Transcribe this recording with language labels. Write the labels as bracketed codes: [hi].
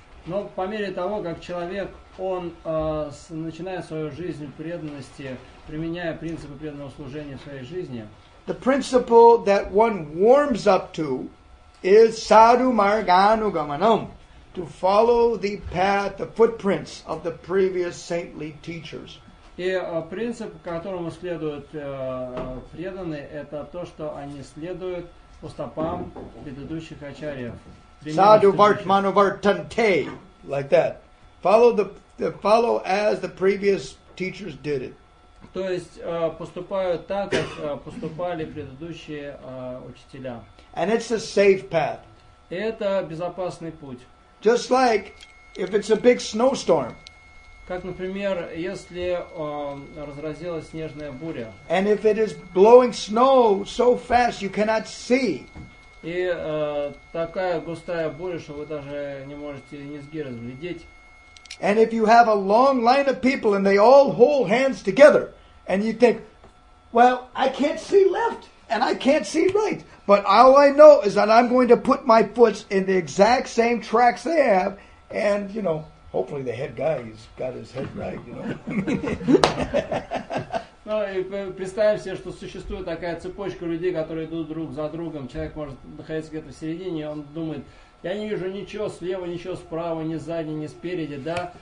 [ru] но по мере того, как человек он начинает свою жизнь преданности, применяя принципы преданного служения в своей жизни. [en] The principle that one warms up to is sadhu marganugamanam, to follow the path, the footprints of the previous saintly teachers. [ru] И принцип, которому следуют преданные, это то, что они следуют по стопам предыдущих ачарьев. [sa] Sadhu vartmanuvartante, [en] like that. Follow as the previous teachers did it. [ru] То есть поступают так, как поступали предыдущие учителя. [en] And it's a safe path. [ru] Это безопасный путь. [en] Just like if it's a big snowstorm. [ru] Как, например, если разразилась снежная буря. [en] And if it is blowing snow so fast you cannot see. [ru] И такая густая буря, что вы даже не можете низги разглядеть. [en] And if you have a long line of people and they all hold hands together and you think, well, I can't see left and I can't see right, but all I know is that I'm going to put my foot in the exact same tracks they have and, you know, hopefully the head guy has got his head right, you know. [ru] Ну, и представим себе, что существует такая цепочка людей, которые идут друг за другом. Человек может находиться где-то в середине, и он думает, я не вижу ничего слева, ничего справа, ни сзади, ни спереди, да?